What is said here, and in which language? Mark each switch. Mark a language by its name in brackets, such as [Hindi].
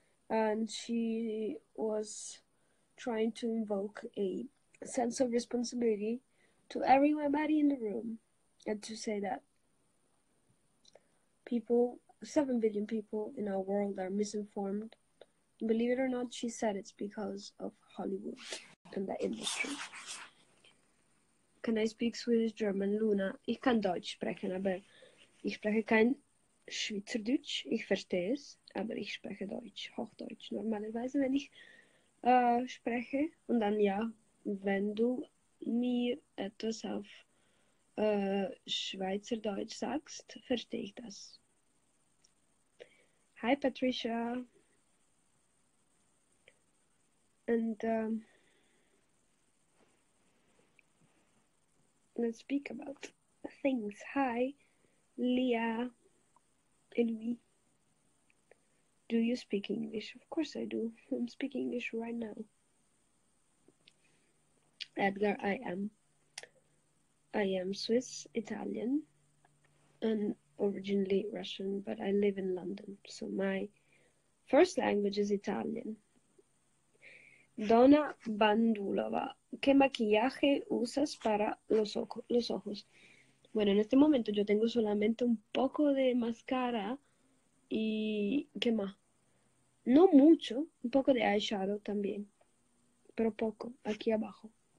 [English] And she was trying to invoke a sense of responsibility to everybody in the room, and to say that people, 7 billion people in our world, are misinformed. Believe it or not, she said it's because of Hollywood and the industry. Can I speak Swedish, German, Luna? [German] Ich kann Deutsch sprechen, aber ich spreche kein Schweizerdeutsch. Ich verstehe es, aber ich spreche Deutsch, Hochdeutsch normalerweise, wenn ich spreche. Und dann ja, wenn du mir etwas auf Schweizerdeutsch sagst, verstehe ich das. [English] Hi, Patricia. And let's speak about things. Hi, Leah, Elvi. Do you speak English? Of course I do. I'm speaking English right now. Edgar, I am Swiss, Italian, and originally Russian, but I live in London. So my first language is Italian. [Spanish] Donna Bandulova, ¿qué maquillaje usas para los ojos? Bueno, en este momento yo tengo solamente un poco de mascara y ¿qué más? No mucho, un poco de eyeshadow también, pero poco, aquí abajo.